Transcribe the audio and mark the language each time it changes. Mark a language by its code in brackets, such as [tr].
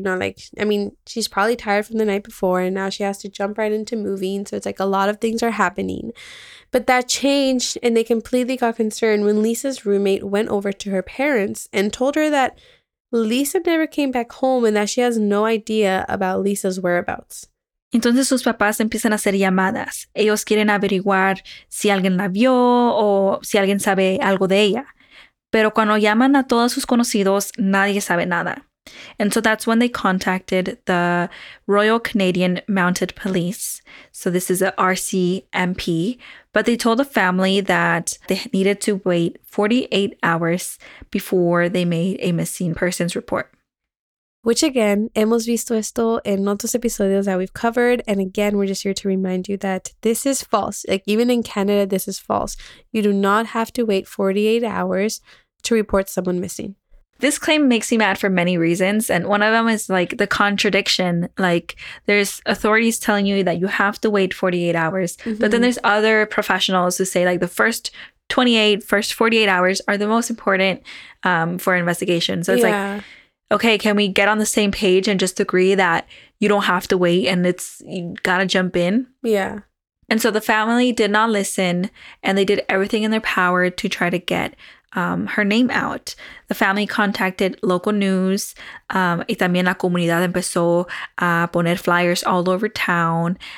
[en] You know, like, I mean, she's probably tired from the night before and now she has to jump right into moving. So it's like a lot of things are happening. But that changed and they completely got concerned when Lisa's roommate went over to her parents and told her that Lisa never came back home and that she has no idea about Lisa's whereabouts. [es] Entonces sus papás empiezan a hacer llamadas. Ellos quieren averiguar si alguien la vio o si alguien sabe algo de ella. Pero cuando llaman a todos sus conocidos, nadie sabe nada. [en] And so that's when they contacted the Royal Canadian Mounted Police. So this is a RCMP. But they told the family that they needed to wait 48 hours before they made a missing persons report. Which again, [es] hemos visto esto en otros episodios [en] that we've covered. And again, we're just here to remind you that this is false. Like even in Canada, this is false. You do not have to wait 48 hours to report someone missing. This claim makes me mad for many reasons. And one of them is like the contradiction. Like there's authorities telling you that you have to wait 48 hours. Mm-hmm. But then there's other professionals who say like the first 48 hours are the most important for investigation. So it's like... okay, can we get on the same page and just agree that you don't have to wait and it's you gotta jump in? Yeah. And so the family did not listen and they did everything in their power to try to get her name out. The family contacted local news. [es] Y también la comunidad empezó a poner flyers [en] all over town.